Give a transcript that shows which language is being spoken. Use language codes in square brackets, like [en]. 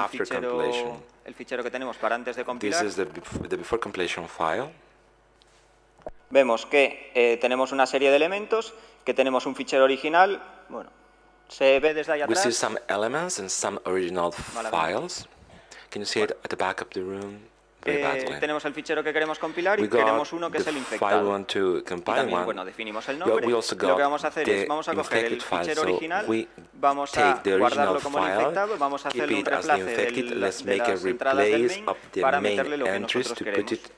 [es] El fichero que tenemos para antes de compilar. [en] This is the before compilation file. [es] Vemos que tenemos una serie de elementos, que tenemos un fichero original. Bueno, se ve desde allá atrás. [en] We see some elements and some original files. Can you see it at the back of the room? [es] Tenemos el fichero que queremos compilar y queremos uno que es el infectado. [en] We want to compile [es] y también, bueno, definimos el nombre. Lo que vamos a hacer es, vamos a coger el fichero original, vamos a guardarlo como el infectado, vamos a hacerle un reemplace de las entradas del main para meterle lo que nosotros queremos.